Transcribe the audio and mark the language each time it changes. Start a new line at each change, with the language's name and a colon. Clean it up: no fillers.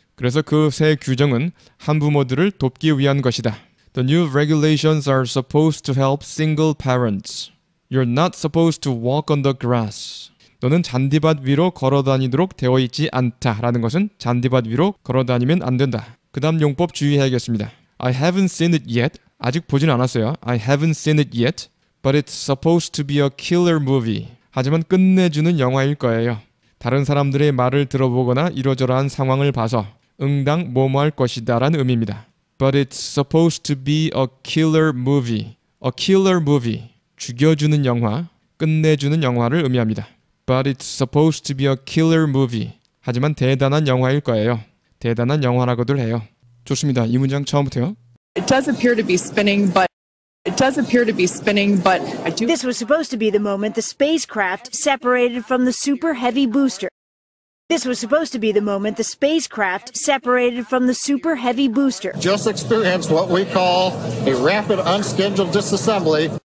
Korean: 그래서 그 새 규정은 한 부모들을 돕기 위한 것이다.
English: The new regulations are supposed to help single parents. You're not supposed to walk on the grass.
Korean: 너는 잔디밭 위로 걸어다니도록 되어 있지 않다라는 것은 잔디밭 위로 걸어다니면 안 된다. 그 다음 용법 주의해야겠습니다.
English: I haven't seen it yet.
Korean: 아직 보진 않았어요.
English: I haven't seen it yet. But it's supposed to be a killer movie.
Korean: 하지만 끝내주는 영화일 거예요. 다른 사람들의 말을 들어보거나 이러저러한 상황을 봐서 응당 뭐뭐할 것이다 라는 의미입니다.
English: But it's supposed to be a killer movie. A killer movie.
Korean: 죽여주는 영화, 끝내주는 영화를 의미합니다. But it's supposed to be a killer movie. 하지만 대단한 영화일 거예요. 대단한 영화라고들 해요. 좋습니다. 이 문장 처음부터요.
English: It does appear to be spinning, but it does appear to be spinning, but I do. This was supposed to be the moment the spacecraft separated from the super heavy booster. This was supposed to be the moment the spacecraft separated from the super heavy booster. Just experienced what we call a rapid unscheduled disassembly.